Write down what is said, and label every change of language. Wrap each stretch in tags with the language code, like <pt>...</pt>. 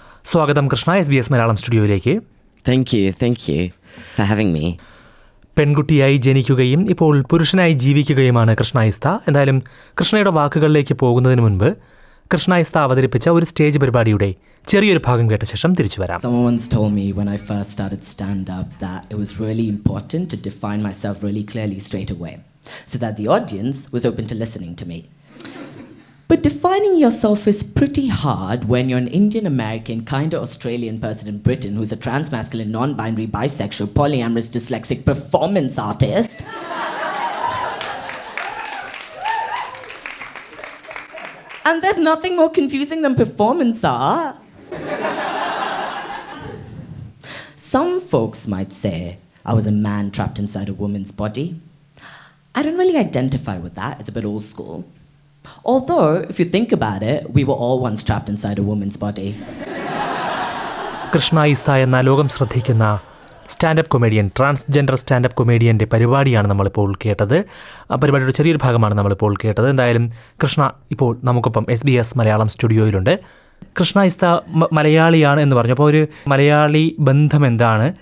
<ml>സ്വാഗതം Krishna SBS Malayalam സ്റ്റുഡിയോയിലേക്ക്.</ml> <en>Thank you for having me.</en> <ml>പെൺകുട്ടിയായി ജനിക്കുകയും ഇപ്പോൾ പുരുഷനായി ജീവിക്കുകയുമാണ് കൃഷ്ണ ഇസ്ത. എന്തായാലും കൃഷ്ണയുടെ വാക്കുകളിലേക്ക് പോകുന്നതിന് മുൻപ് കൃഷ്ണ ഇസ്ത അവതരിപ്പിച്ച ഒരു സ്റ്റേജ് പരിപാടിയുടെ ചെറിയൊരു ഭാഗം കേട്ട ശേഷം തിരിച്ചു വരാം.</ml> <en>Someone once told me when I first started stand up that it was really important to define myself really clearly straight away so that the audience was open to listening to me. But defining yourself is pretty hard when you're an Indian American kind of Australian person in Britain who's a trans masculine non-binary bisexual polyamorous dyslexic performance artist. And there's nothing more confusing than performance art. Some folks might say I was a man trapped inside a woman's body. I don't really identify with that. It's a bit old school. Although, if you think about it, we were all once trapped inside a woman's body.</en> <ml>Krishna Ista enna logam shradhikkuna standup comedian transgender standup കൊമേഡിയൻ്റെ പരിപാടിയാണ് നമ്മളിപ്പോൾ കേട്ടത്. ആ പരിപാടിയുടെ ചെറിയൊരു ഭാഗമാണ് നമ്മളിപ്പോൾ കേട്ടത്. എന്തായാലും കൃഷ്ണ ഇപ്പോൾ നമുക്കൊപ്പം SBS മലയാളം സ്റ്റുഡിയോയിലുണ്ട്. കൃഷ്ണ ഇസ്ത മലയാളിയാണ് എന്ന് പറഞ്ഞു. അപ്പോൾ ഒരു മലയാളി ബന്ധം എന്താണ്?</ml>